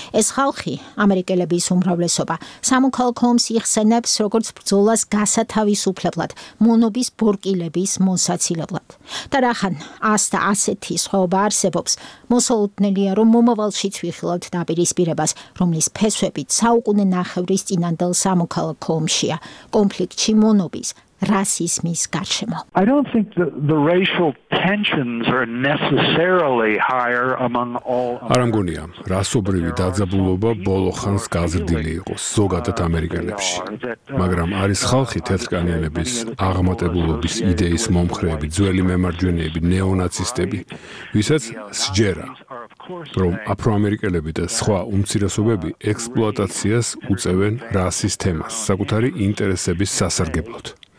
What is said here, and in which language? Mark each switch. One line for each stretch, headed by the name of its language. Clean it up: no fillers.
Georgian: ეს ხალხი, ამერიკელების უმრავლესობა, სამოქალაქო ომს იხსენებს როგორც ბრძოლას გასათავისუფლებლად, მონობის ბორკილების მოსაცილებლად. და რახან ას და ასეთი სხვაობა არსებობს, მოსალოდნელია, რომ მომავალშიც ვიხილავთ დაპირისპირებას, რომლის ფესვებით საუკუნე ნახევრის წინანდელ სამოქალაქო ომშია, კონფლიქტში მონობის რასიზმის გარშემო.
English: I don't think the racial tensions are necessarily higher among all.
Georgian: არ ამგონია, რასობრივი დაძაბულობა ბოლო ხანს გაზრდილი იყოს ზოგადად ამერიკელებში. მაგრამ არის ხალხი თეთრკანიანების აღმატებულობის იდეის მომხრეები, ძველი მემარჯვენეები, ნეონაცისტები, ვისაც სჯერა, რომ აფროამერიკელები და სხვა უმცირესობები ექსპლუატაციას უწევენ რასის თემას საკუთარი ინტერესების სასარგებლოდ.